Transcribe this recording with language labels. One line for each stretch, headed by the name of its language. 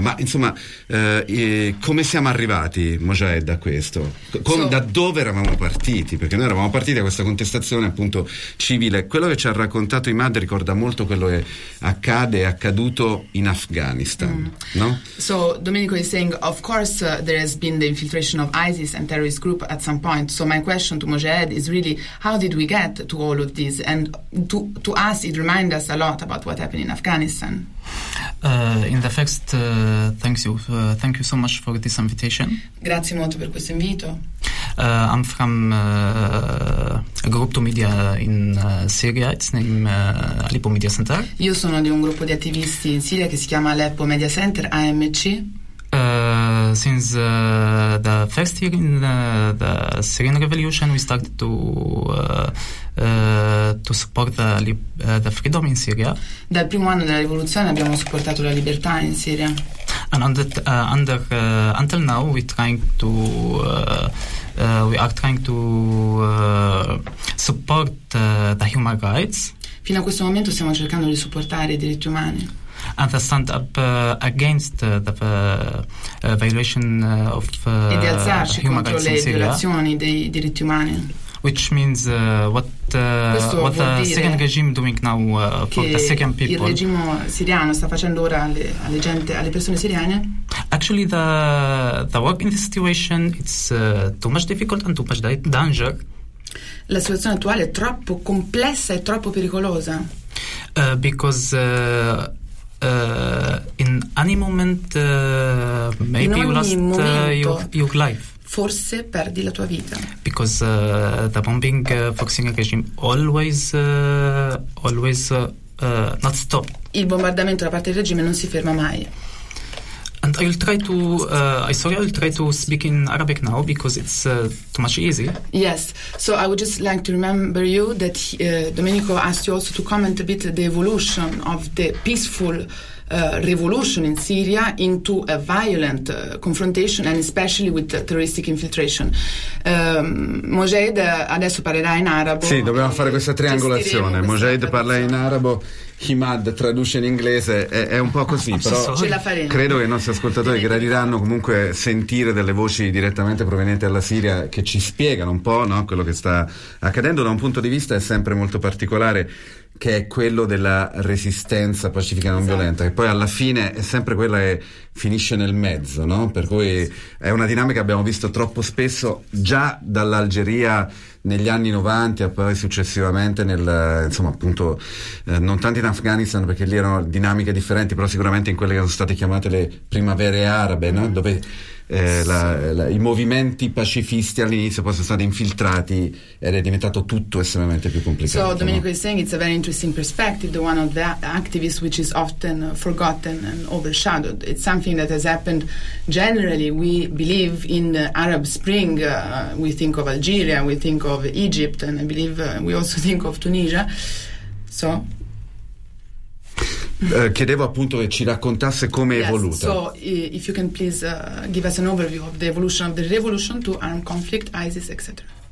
Italian: Ma insomma, come siamo arrivati, Mojahed, a questo? Da dove eravamo partiti? Perché noi eravamo partiti da questa contestazione appunto civile. Quello che ci ha raccontato Imad ricorda molto quello che accade e accaduto in Afghanistan, no?
English: So Domenico is saying, of course there has been the infiltration of ISIS and terrorist group at some point. So my question to Mojahed is really, how did we get to all of this? And to us, it reminds us a lot about what happened in Afghanistan. Thank you so much for this invitation.
Italian: Grazie molto per questo invito.
English: I'm from a group to media in Syria. It's named Aleppo Media Center.
Italian: Io sono di un gruppo di attivisti in Siria che si chiama Aleppo Media Center, AMC.
English: Since the first year in the Syrian revolution, we started to support the freedom in Syria.
Italian: Dal primo anno della rivoluzione abbiamo supportato la libertà in Syria.
English: And until now, we are trying to support the human rights.
Italian: Fino a questo momento stiamo cercando di supportare i diritti umani.
English: And stand up against the violation of human rights in Syria.
Italian: E di alzarci contro le violazioni dei diritti umani.
English: Which means what the Syrian regime doing now for the Syrian people.
Italian: Che il regime siriano sta facendo ora alle persone siriane?
English: Actually, the work in this situation it's too much difficult and too much danger.
Italian: La situazione attuale è troppo complessa e troppo pericolosa.
English: In any moment maybe in you lost your life.
Italian: Forse perdi la tua vita.
English: Because the bombing for Syrian regime always not stop.
Italian: Il bombardamento da parte del regime non si ferma mai.
English: And I'll try to speak in Arabic now because it's too much easy. Yes, so I would just like to remember you that Domenico asked you also to comment a bit the evolution of the peaceful revolution in Syria into a violent confrontation, and especially with the terroristic infiltration.
Italian: Mojed adesso parlerà in arabo. Sì, dobbiamo fare questa triangolazione. Mojed parla in arabo, Himad traduce in inglese, è un po' così, però ce la faremo. Credo che i nostri ascoltatori gradiranno comunque sentire delle voci direttamente provenienti dalla Siria che ci spiegano un po', no, quello che sta accadendo da un punto di vista è sempre molto particolare, che è quello della resistenza pacifica e non violenta, che poi alla fine è sempre quella che finisce nel mezzo, no? Per cui è una dinamica che abbiamo visto troppo spesso già dall'Algeria negli anni 90 e poi successivamente nel, insomma, appunto, non tanto in Afghanistan, perché lì erano dinamiche differenti, però sicuramente in quelle che sono state chiamate le primavere arabe, no? Dove i movimenti pacifisti all'inizio poi sono stati infiltrati ed è diventato tutto estremamente più complicato.
English: So Domenico is saying it's a very interesting perspective, the one of the activists which is often forgotten and overshadowed. It's something that has happened generally. We believe in the Arab Spring, we think of Algeria, we think of Egypt, and I believe we also think of Tunisia. So
Italian: chiedevo appunto che ci raccontasse come è evoluta.
English: So if you can please give us an overview of the evolution of the revolution to armed conflict, ISIS, etc.